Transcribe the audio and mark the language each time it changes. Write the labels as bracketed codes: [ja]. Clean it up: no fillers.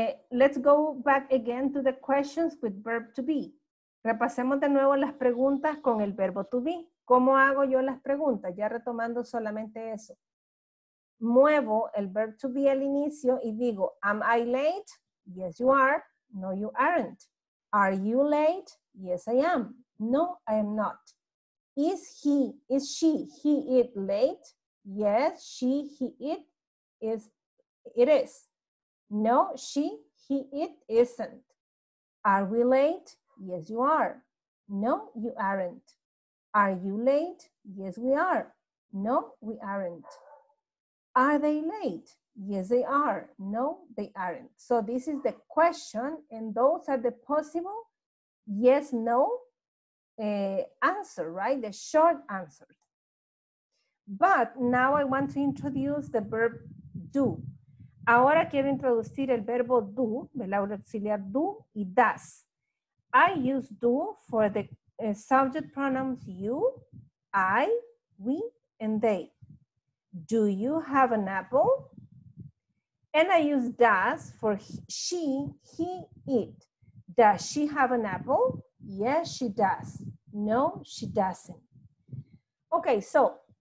[en] Let's go back again to the questions with verb to be. [es] Repasemos de nuevo las preguntas con el verbo to be. ¿Cómo hago yo las preguntas? Ya retomando solamente eso. [en] Muevo el verb to be al inicio y digo, am I late? Yes, you are. No, you aren't. Are you late? Yes, I am. No, I am not. Is he, is she, he, it late? Yes, she, he, it is. It is. No, she, he, it isn't. Are we late? Yes, you are. No, you aren't. Are you late? Yes, we are. No, we aren't. Are they late? Yes, they are. No, they aren't. So this is the question, and those are the possible yes, no answer, right? The short answer. But now I want to introduce the verb do. [es] Ahora quiero introducir el verbo do, el auxiliar do y does. [en] I use do for the subject pronouns you, I, we, and they. Do you have an apple? And I use does for she, he, it. Does she have an apple? Yes, she does. No, she doesn't. Okay, so